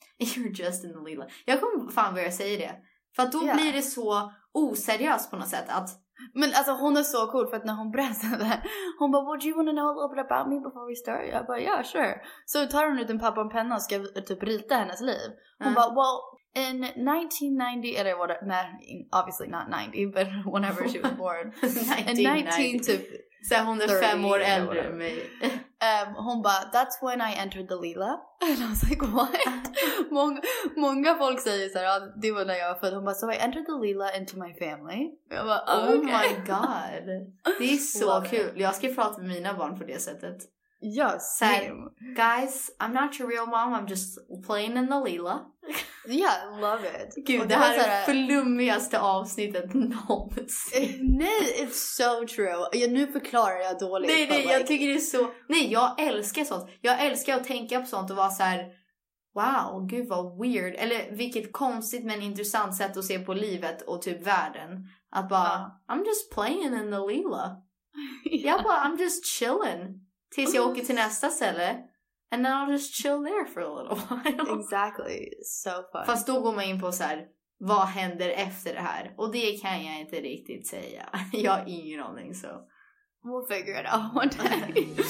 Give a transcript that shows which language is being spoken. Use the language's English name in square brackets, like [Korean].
[English] You're just in the Lila. [Swedish] Jag kommer fan börja säga det. För att då blir det så oseriöst på något sätt. Att Men alltså hon är så cool, för att när hon berättade, hon bara, [English] would you want to know a little bit about me before we start? [Swedish] Jag bara, [English] yeah, sure. [Swedish] Så tar hon ut en papper och en penna och ska typ rita hennes liv. Hon bara, [English] well, in 1990, [Swedish] eller [English] what, [Swedish] nej, [English] obviously not 90, but whenever she was born. 1990. [Swedish] Så hon är 5 år äldre än mig. Hon bara, [English] that's when I entered the lila. And I was like, what? [Swedish] Många folk säger såhär, ah, det var när jag var född. Hon bara, [English] so I entered the lila into my family. [Swedish] Jag bara, [English] oh, okay. My god. [Swedish] Det är så kul. Jag ska prata med mina barn på det sättet. Ja, [English] same. Guys, I'm not your real mom. I'm just playing in the lila. Yeah, love it. [Swedish] Gud, det här är flummigaste avsnittet någonsin. Nej, [English] it's so true. [Swedish] Ja, nu förklarar jag dåligt. Nej, nej, like, jag tycker det är så... Nej, jag älskar sånt. Jag älskar att tänka på sånt och vara så här, wow, gud vad weird. Eller vilket konstigt men intressant sätt att se på livet och typ världen. Att bara, [English] I'm just playing in the lila. Yeah. [Swedish] Jag bara, [English] I'm just chilling. [Swedish] Tills jag åker till nästa ställe. [English] And then I'll just chill there for a little while. Exactly. So fun. [Swedish] Fast då går man in på så här, vad händer efter det här? Och det kan jag inte riktigt säga. Jag har ingen aning, så. [English] We'll figure it out one day.